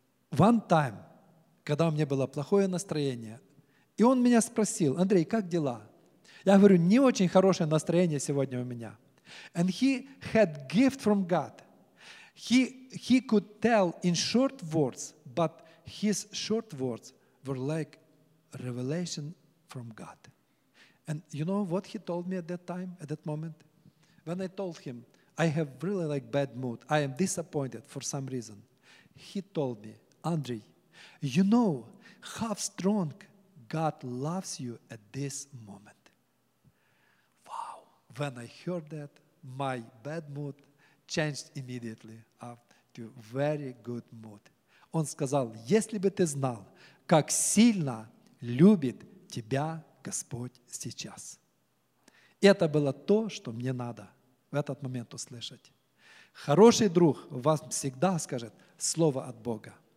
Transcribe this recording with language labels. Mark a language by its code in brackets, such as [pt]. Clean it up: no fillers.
[en] One time, [ru] когда у меня было плохое настроение, и он меня спросил, Андрей, как дела? Я говорю, не очень хорошее настроение сегодня у меня. [en] And he had gift from God. He could tell in short words, but his short words were like revelation from God. And you know what he told me at that time, at that moment? When I told him, I have really like bad mood, I am disappointed for some reason. He told me, Andrei, you know how strong God loves you at this moment. Wow. When I heard that, my bad mood changed immediately to very good mood. [ru] Он сказал, если бы ты знал, как сильно любит тебя Господь сейчас. Это было то, что мне надо в этот момент услышать. Хороший друг вам всегда скажет слово от Бога.